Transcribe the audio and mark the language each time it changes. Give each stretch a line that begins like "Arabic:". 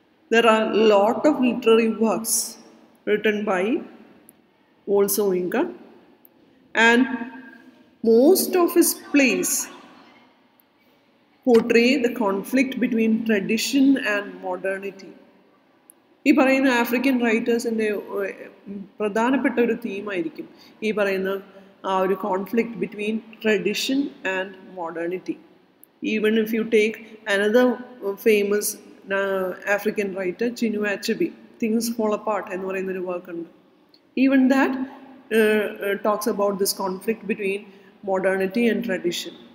English: There are a lot of literary works written by Wole Soyinka, and most of his plays portray the conflict between tradition and modernity.
Malayalam: ഈ പറയുന്ന African റൈറ്റേഴ്സിൻ്റെ പ്രധാനപ്പെട്ട ഒരു തീമായിരിക്കും ഈ പറയുന്ന ആ ഒരു
English: Conflict between tradition and modernity. Even if you take another famous African writer, Chinua Achebe, Things Fall Apart, and what in the work on. Even that talks about this conflict between modernity and tradition.